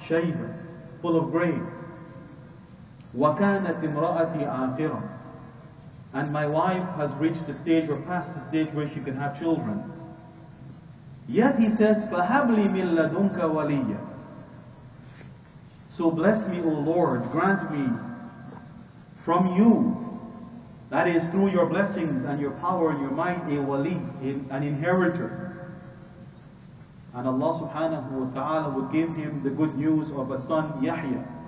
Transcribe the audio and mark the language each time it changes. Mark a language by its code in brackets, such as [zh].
[en] شَيْبًا, full of gray. [ar] وَكَانَتْ إِمْرَأَتِي عَاقِرًا. [en] And my wife has reached the stage or passed the stage where she can have children. Yet he says, [ar] فَهَبْلِي مِنْ لَدُنْكَ وَلِيَّ. [en] So bless me, O Lord, grant me from you, that is through your blessings and your power and your might, a wali, an inheritor. And Allah subhanahu wa ta'ala would give him the good news of a son, Yahya.